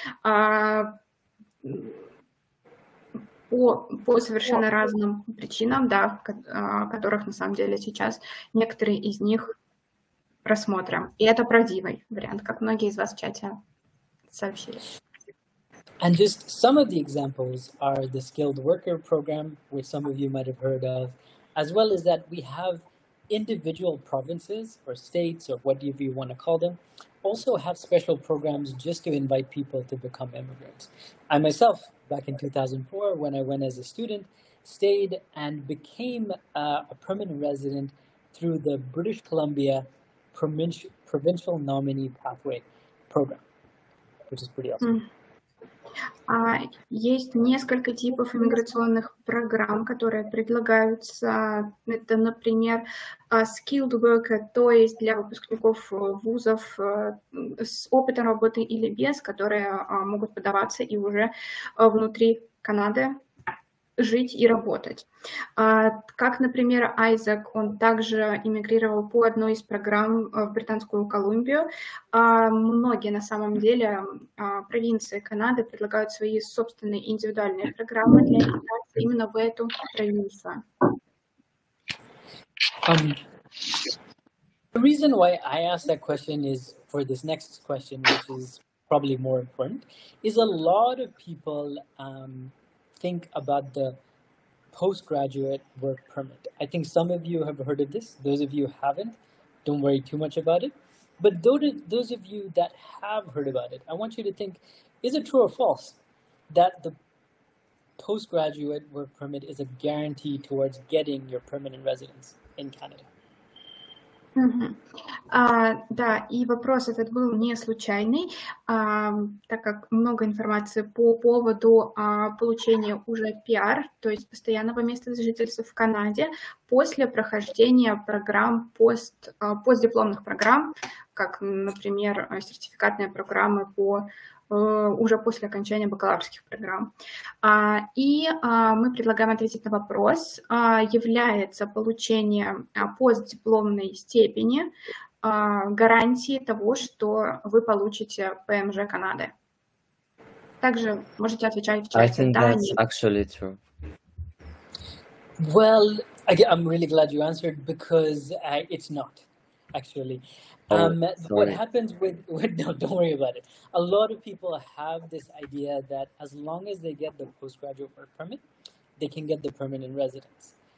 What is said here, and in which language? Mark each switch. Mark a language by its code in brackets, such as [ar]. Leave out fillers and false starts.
[ru] По совершенно разным причинам, да, которых на самом деле сейчас некоторые из них рассмотрим. И это правдивый вариант, как многие из вас в чате сообщили. [en] And just some of the examples are the skilled worker program, which some of you might have heard of, as well as that we have individual provinces or states or whatever you want to call them, also have special programs just to invite people to become immigrants. I myself, back in 2004, when I went as a student, stayed and became a permanent resident through the British Columbia Provincial Nominee Pathway Program, which is pretty awesome. [ru] Есть несколько типов иммиграционных программ, которые предлагаются. Это, например, skilled worker, то есть для выпускников вузов с опытом работы или без, которые могут подаваться и уже внутри Канады жить и работать. Как, например, Айзек, он также иммигрировал по одной из программ в Британскую Колумбию. Многие, на самом деле, провинции Канады предлагают свои собственные индивидуальные программы для иммиграции именно в эту провинцию. [en] The reason why I asked that question is for this next question, which is probably more important, is a lot of people think about the postgraduate work permit. I think some of you have heard of this. Those of you who haven't, don't worry too much about it. But those of you that have heard about it, I want you to think, is it true or false that the postgraduate work permit is a guarantee towards getting your permanent residence in Canada? [ru] Да, и вопрос этот был не случайный, так как много информации по поводу получения уже PR, то есть постоянного места жительства в Канаде, после прохождения программ, постдипломных программ, как, например, сертификатные программы по уже после окончания бакалаврских программ. Мы предлагаем ответить на вопрос, является получение постдипломной степени гарантией того, что вы получите ПМЖ Канады. Также можете отвечать в чате. [en] I think that's actually true. Well, I'm really glad you answered, because it's not, actually. What happens don't worry about it. A lot of people have this idea that as long as they get the postgraduate work permit, they can get the permanent residence.